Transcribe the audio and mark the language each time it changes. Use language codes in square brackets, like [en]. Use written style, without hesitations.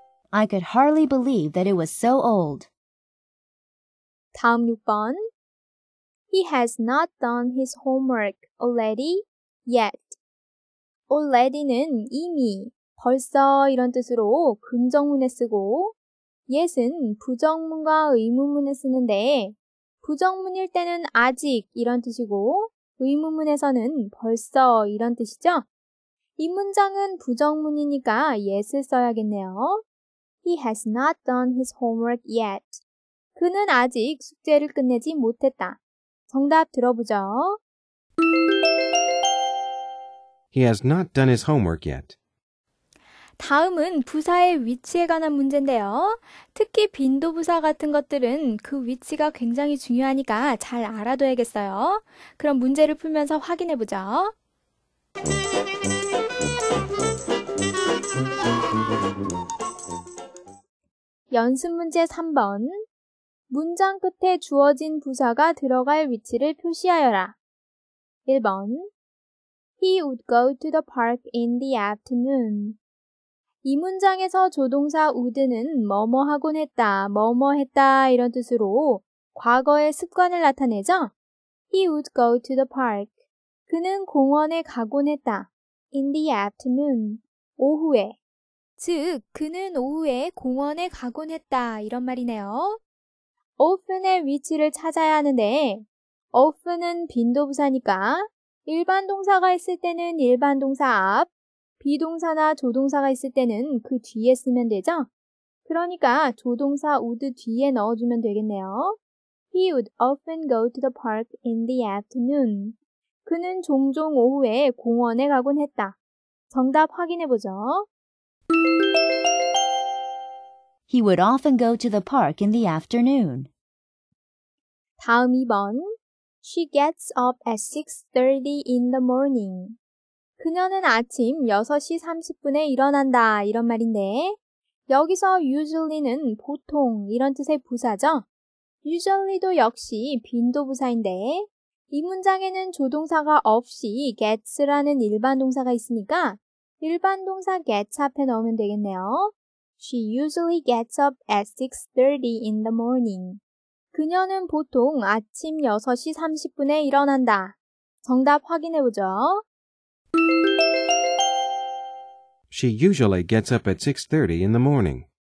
[en] I could hardly believe that it was so old. [ko] 다음 6번. [en] He has not done his homework already yet. [ko] Already는 이미, 벌써 이런 뜻으로 긍정문에 쓰고 yet은 부정문과 의문문에 쓰는데 부정문일 때는 아직 이런 뜻이고 의문문에서는 벌써 이런 뜻이죠? 이 문장은 부정문이니까 yet을 써야겠네요. [en] He has not done his homework yet. [ko] 그는 아직 숙제를 끝내지 못했다. 정답 들어보죠. [en] He has not done his homework yet. [ko] 다음은 부사의 위치에 관한 문제인데요. 특히 빈도부사 같은 것들은 그 위치가 굉장히 중요하니까 잘 알아둬야겠어요. 그럼 문제를 풀면서 확인해보죠. 연습 문제 3번. 문장 끝에 주어진 부사가 들어갈 위치를 표시하여라. 1번. [en] He would go to the park in the afternoon. [ko] 이 문장에서 조동사 would는 뭐뭐 하곤 했다, 뭐뭐 했다 이런 뜻으로 과거의 습관을 나타내죠? [en] He would go to the park. [ko] 그는 공원에 가곤 했다. [en] In the afternoon. [ko] 오후에. 즉, 그는 오후에 공원에 가곤 했다 이런 말이네요. often의 위치를 찾아야 하는데 often은 빈도부사니까 일반 동사가 있을 때는 일반 동사 앞, 비동사나 조동사가 있을 때는 그 뒤에 쓰면 되죠? 그러니까 조동사 would 뒤에 넣어주면 되겠네요. [en] He would often go to the park in the afternoon. [ko] 그는 종종 오후에 공원에 가곤 했다. 정답 확인해보죠. [en] He would often go to the park in the afternoon. [ko] 다음 2번. [en] She gets up at 6:30 in the morning. [ko] 그녀는 아침 6시 30분에 일어난다 이런 말인데 여기서 usually는 보통 이런 뜻의 부사죠. usually도 역시 빈도부사인데 이 문장에는 조동사가 없이 gets라는 일반 동사가 있으니까 일반 동사 gets 앞에 넣으면 되겠네요. [en] She usually gets up at 6:30 in the morning. [ko] 그녀는 보통 아침 6시 30분에 일어난다. 정답 확인해보죠. [en] She usually gets up at 6:30 in the morning.